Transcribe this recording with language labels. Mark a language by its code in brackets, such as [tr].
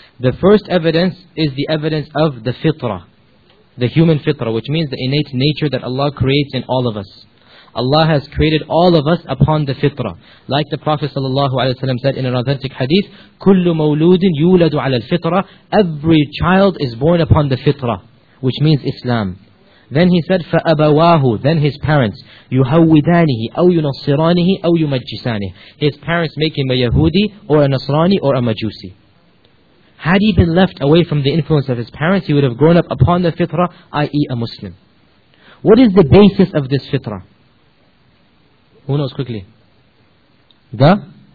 [en] The first evidence is the evidence of the fitrah, the human fitrah, which means the innate nature that Allah creates in all of us. Allah has created all of us upon the fitrah. Like the Prophet ﷺ said in an authentic hadith, [ar] كُلُّ مَوْلُودٍ يُولَدُ عَلَى الْفِطْرَةِ. [en] Every child is born upon the fitrah, which means Islam. Then he said, [ar] فَأَبَوَاهُ. [en] Then his parents, [ar] يُهَوِّدَانِهِ أَوْ يُنَصِّرَانِهِ أَوْ يُمَجِّسَانِهِ. [en] His parents make him a Yahudi, or a Nasrani, or a Majusi. Had he been left away from the influence of his parents, he would have grown up upon the fitrah, i.e. a Muslim. What is the basis of this fitrah? Who knows quickly? The?